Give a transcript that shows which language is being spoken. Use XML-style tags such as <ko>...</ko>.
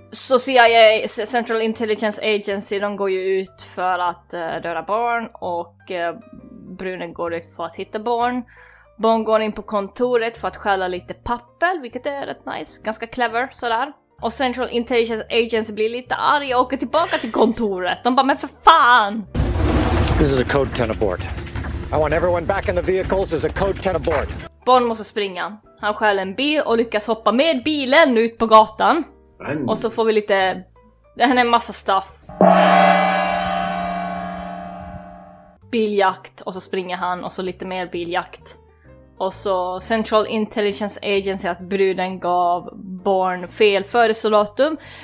<sv>Så CIA, Central Intelligence Agency, de går ju ut för att döda Born. Och brunen går ut för att hitta Born. Born går in på kontoret för att stjäla lite papper. Vilket är rätt nice. Ganska clever, sådär. Och Central Intelligence Agency blir lite arg och åker tillbaka till kontoret. De bara, men för fan!</sv> <en>This is a code 10 abort. I want everyone back in the vehicles as a code 10 aboard.</en> <sv>Born måste springa. Han stjäl en bil och lyckas hoppa med bilen ut på gatan. And... Och så får vi lite... Det här är en massa stuff. Biljakt. Och så springer han. Och så lite mer biljakt. Och så Central Intelligence Agency att bruden gav Born fel födelsedatum.</sv>